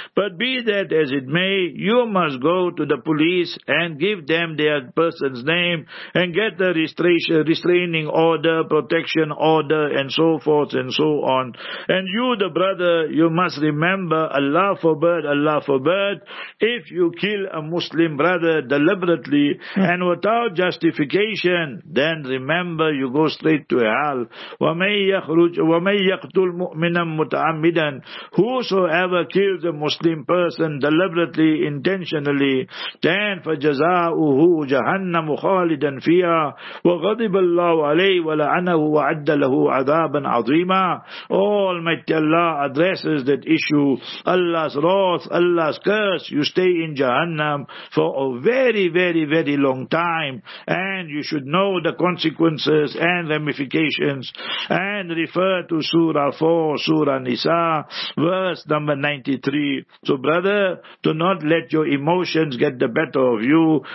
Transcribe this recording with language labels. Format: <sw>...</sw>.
<en>But be that as it may, you must go to the police and give them their person's name and get the restraining order, protection order, and so forth and so on. And you, the brother, you must remember, Allah forbid, if you kill a Muslim brother deliberately and without justification, then remember you go straight to hell.</en> <ar>وَمَنْ يَقْتُلْ مُؤْمِنًا مُتَعَمِّدًا.</ar> <en>Whosoever kills a Muslim person deliberately, intentionally, then</en> <ar>فَجَزَاؤُهُ جَهَنَّمُ خَالِدًا فِيهَا وَغَضِبَ اللَّهُ عَلَيْهِ وَلَعَنَهُ وَعَدَّ لَهُ عَذَابًا عَظِيمًا.</ar> <en>Almighty Allah addresses that issue. Allah's wrath, Allah's curse, you stay in Jahannam for a very, very, very long time, and you should know the consequences and ramifications. And refer to Surah 4, Surah Nisa, verse number 93. So brother, do not let your emotions get the better of you.</en>